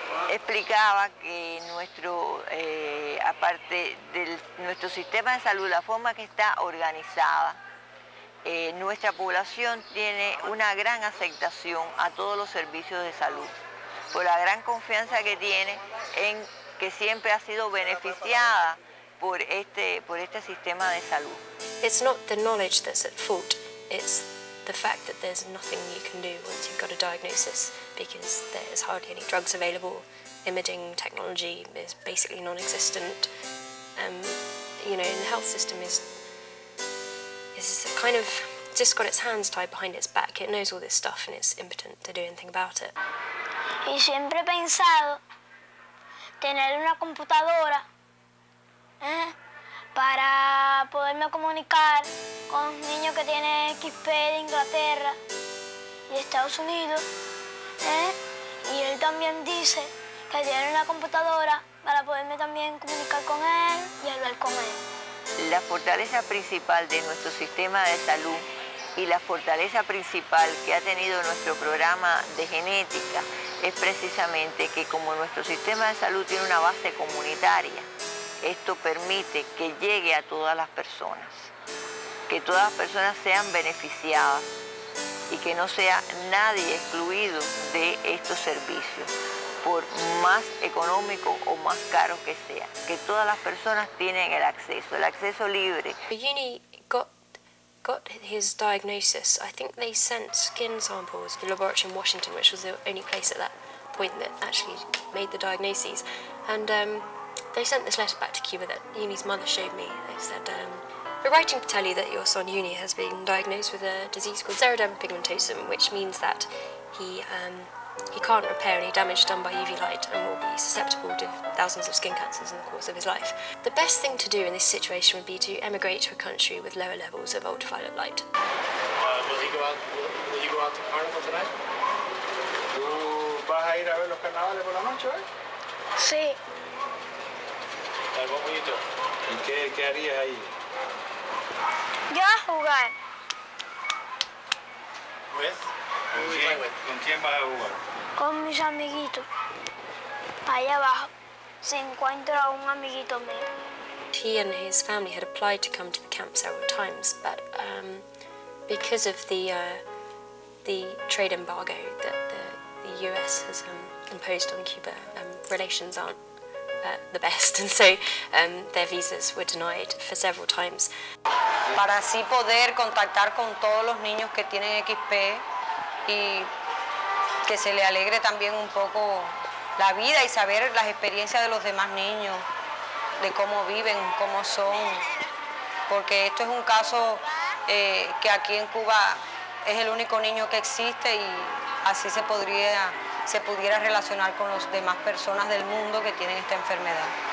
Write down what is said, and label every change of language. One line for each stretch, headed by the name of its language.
Spanish: Explicaba que nuestro, aparte del nuestro sistema de salud, la forma que está organizada, nuestra población tiene una gran aceptación a todos los servicios de salud, por la gran confianza que tiene en que siempre ha sido beneficiada por este sistema de salud.
English: It's not the knowledge that's at fault, it's the fact that there's nothing you can do once you've got a diagnosis, because there's hardly any drugs available. imaging technology is basically non-existent. You know, and the health system is kind of just got its hands tied behind its back. It knows all this stuff and it's impotent to do anything about it.
Spanish: Y siempre he pensado tener una computadora para poderme comunicar con un niño que tiene XP de Inglaterra y Estados Unidos, y él también dice que tiene una computadora para poderme también comunicar con él y hablar con él. La fortaleza principal de nuestro sistema de salud y la fortaleza principal que ha tenido nuestro programa de genética es precisamente que como nuestro sistema de salud tiene una base comunitaria, esto permite que llegue a todas las personas, que todas las personas sean beneficiadas y que no sea nadie excluido de estos servicios, por más económico o más caro que sea, que todas las personas tienen el acceso libre.
English: Uni got his diagnosis. I think they sent skin samples to the laboratory in Washington, which was the only place at that point that actually made the diagnoses. And they sent this letter back to Cuba that Uni's mother showed me. They said, we're writing to tell you that your son Uni has been diagnosed with a disease called xeroderma pigmentosum, which means that he can't repair any damage done by UV light and will be susceptible to thousands of skin cancers in the course of his life. The best thing to do in this situation would be to emigrate to a country with lower levels of ultraviolet light. Will you go out to carnival tonight?
Spanish: ¿Tú vas a ir a ver los carnavales por la noche, eh? Sí.
English: What will you do?
Spanish: ¿Qué harías ahí? Yo a jugar.
English: ¿With?
Spanish: ¿Con quién vas a jugar? Con mis amiguitos. Allá abajo se encuentra un amiguito mío.
English: He and his family had applied to come to the camp several times, but because of the trade embargo that the US has imposed on Cuba, relations aren't the best, and so their visas were denied for several times.
Spanish: Para así poder contactar con todos los niños que tienen XP, y que se le alegre también un poco la vida y saber las experiencias de los demás niños, de cómo viven, cómo son. Porque esto es un caso que aquí en Cuba es el único niño que existe y así se pudiera relacionar con las demás personas del mundo que tienen esta enfermedad.